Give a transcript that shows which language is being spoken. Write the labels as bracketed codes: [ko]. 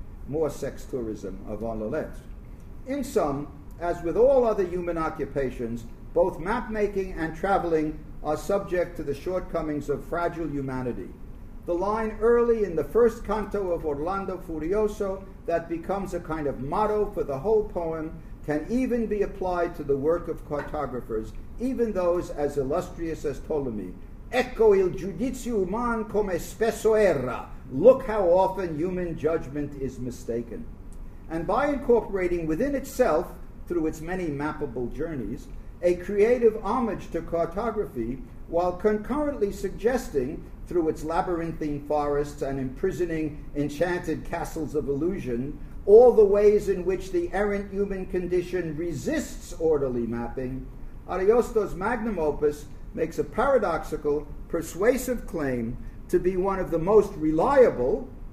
[en] More sex tourism avant la lettre. In sum, as with all other human occupations, both map-making and traveling are subject to the shortcomings of fragile humanity. The line early in the first canto of Orlando Furioso that becomes a kind of motto for the whole poem can even be applied to the work of cartographers, even those as illustrious as Ptolemy. [it] Ecco il giudizio umano come spesso erra. [en] Look how often human judgment is mistaken. And by incorporating within itself, through its many mappable journeys, a creative homage to cartography, while concurrently suggesting, through its labyrinthine forests and imprisoning enchanted castles of illusion, all the ways in which the errant human condition resists orderly mapping, Ariosto's magnum opus makes a paradoxical, persuasive claim to be one of the most reliable,